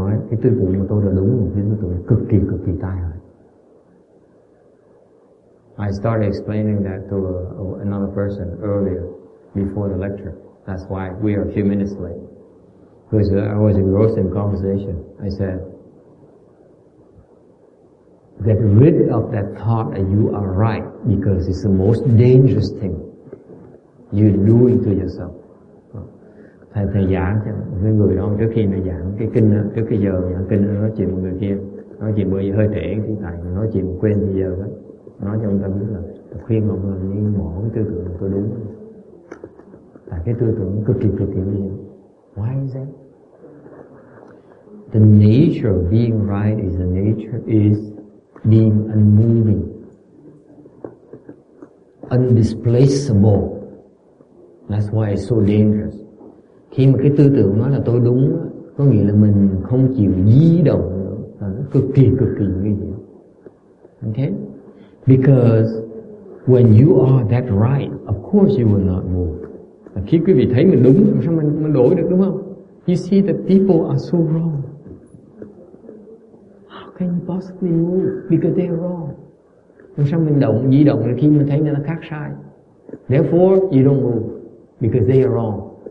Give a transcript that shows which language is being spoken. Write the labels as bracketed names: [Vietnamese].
[Vietnamese] tư tưởng của tôi là đúng, khiến cho tôi cực kỳ tai hại. [English] I started explaining that to another person earlier, before the lecture. That's why we are a few minutes late. Because I was engrossed in conversation. I said, get rid of that thought that you are right, because it's the most dangerous thing you're doing to yourself. [Vietnamese] Thầy giảng cho cái người đó trước khi mà giảng cái kinh, trước cái giờ giảng kinh nói chuyện với người kia, nói chuyện bởi vì hơi trễ thì tại nói chuyện quên thì giờ đó, nói cho ông ta biết là khuyên ông là nên bỏ cái tư tưởng tôi đúng, tại cái tư tưởng cực kỳ nguy hiểm. [English] Why is that? The nature of being right is the nature is being unmoving, undisplaceable. That's why it's so dangerous. [Vietnamese] Khi mà cái tư tưởng nói là tôi đúng, có nghĩa là mình không chịu di động nữa, là nó cực kỳ nguy hiểm. [English] Okay? Because when you are that right, of course you will not move. [Vietnamese] Khi quý vị thấy mình đúng, sao mình đổi được, đúng không? [English] You see that people are so wrong. How can you possibly move? Because they are wrong. [Vietnamese] Nhưng sao mình động, di động khi mình thấy người ta khác sai? [English] Therefore, you don't move. Because they are wrong.